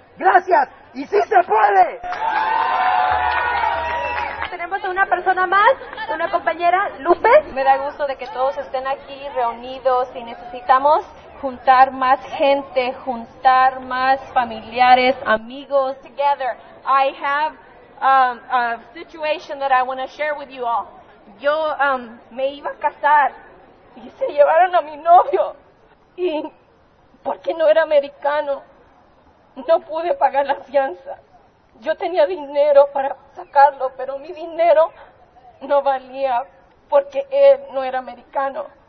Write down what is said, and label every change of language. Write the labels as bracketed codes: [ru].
[es] ¡Gracias! ¡Y sí se puede! Tenemos a una persona más, una compañera, Lupe. Me da gusto de que todos estén aquí reunidos y necesitamos juntar más gente, juntar más familiares, amigos. [en] Together, I have a situation that I want to share with you all. [es] Yo me iba a casar. Y se llevaron a mi novio, y porque no era americano, no pude pagar la fianza. Yo tenía dinero para sacarlo, pero mi dinero no valía porque él no era americano.